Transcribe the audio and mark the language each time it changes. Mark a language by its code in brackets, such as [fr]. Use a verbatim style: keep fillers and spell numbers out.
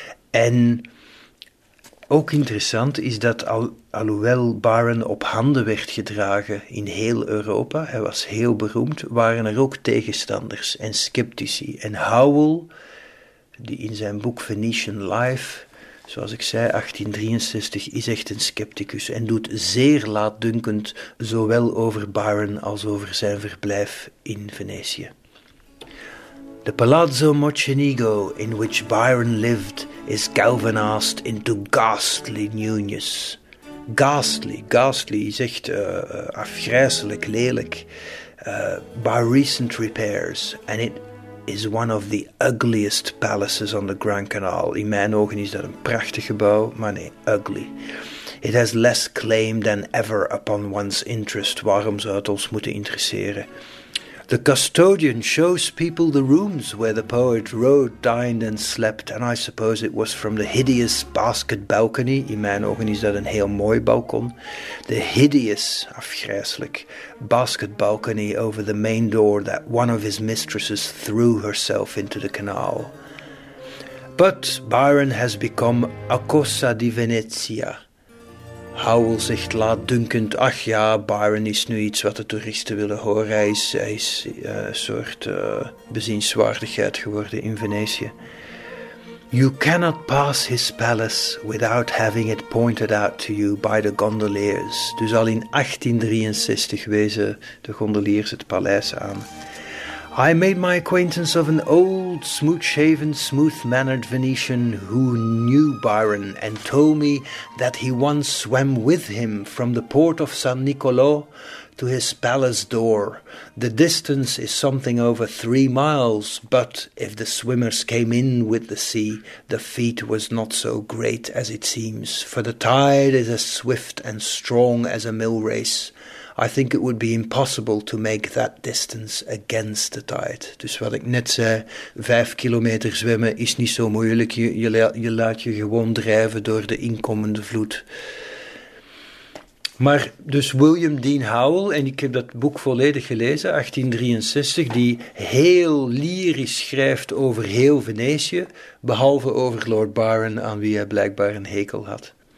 [nl] En ook interessant is dat al, alhoewel Byron op handen werd gedragen in heel Europa, hij was heel beroemd, waren er ook tegenstanders en sceptici. En Howell, die in zijn boek Venetian Life, zoals ik zei, achttien drieënzestig, is echt een scepticus en doet zeer laatdunkend zowel over Byron als over zijn verblijf in Venetië. [en] The Palazzo Mocenigo in which Byron lived is galvanized into ghastly newness. [nl] Ghastly, ghastly is echt uh, afgrijselijk, lelijk. [en] Uh, by recent repairs, and it is one of the ugliest palaces on the Grand Canal. [nl] In mijn ogen is dat een prachtig gebouw, maar nee, [en] ugly. It has less claim than ever upon one's interest. [nl] Waarom zou het ons moeten interesseren? [en] The custodian shows people the rooms where the poet wrote, dined and slept. And I suppose it was from the hideous basket balcony. [nl] In mijn ogen is dat een heel mooi balkon. [en] The hideous, afgrijselijk, basket balcony over the main door that one of his mistresses threw herself into the canal. But Byron has become a [it] cosa di Venezia. [nl] Howell zegt laatdunkend, ach ja, Byron is nu iets wat de toeristen willen horen. Hij is, hij is uh, een soort uh, bezienswaardigheid geworden in Venetië. [en] You cannot pass his palace without having it pointed out to you by the gondoliers. [nl] Dus al in [en] eighteen sixty-three [nl] wezen de gondoliers het paleis aan. [en] I made my acquaintance of an old, smooth-shaven, smooth-mannered Venetian who knew Byron and told me that he once swam with him from the port of San Nicolò to his palace door. The distance is something over three miles, but if the swimmers came in with the sea, the feat was not so great as it seems, for the tide is as swift and strong as a mill race. I think it would be impossible to make that distance against the tide. [nl] Dus wat ik net zei, vijf kilometer zwemmen is niet zo moeilijk. Je, je, je laat je gewoon drijven door de inkomende vloed. Maar dus William Dean Howell, en ik heb dat boek volledig gelezen, [en] eighteen sixty-three, [nl] die heel lyrisch schrijft over heel Venetië, behalve over Lord Byron, aan wie hij blijkbaar een hekel had.